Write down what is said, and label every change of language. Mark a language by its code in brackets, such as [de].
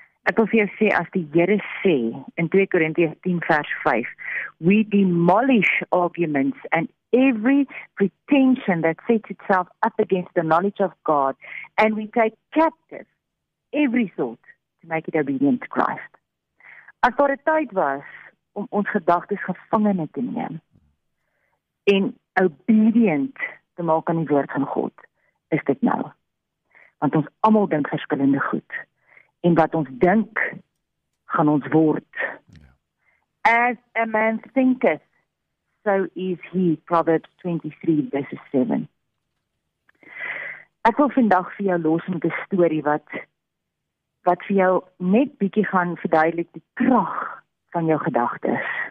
[af] Ek wil vir jou sê, as die Here sê, in 2 Korintiërs 10 vers 5, [en] we demolish arguments and every pretension that sets itself up against the knowledge of God, and we take captive every thought to make it obedient to Christ. [af] As daar 'n tyd was om ons gedagtes gevangene te neem en obedient te maak aan die woord van God, is dit nou. Want ons almal dink verskillende goed. En wat ons dink, gaan ons word. [en] As a man thinketh, so is he, Proverbs 23, verses 7. [af] Ek wil vandag vir jou los met 'n storie wat vir jou net bietjie gaan verduidelik die krag van jou gedagtes.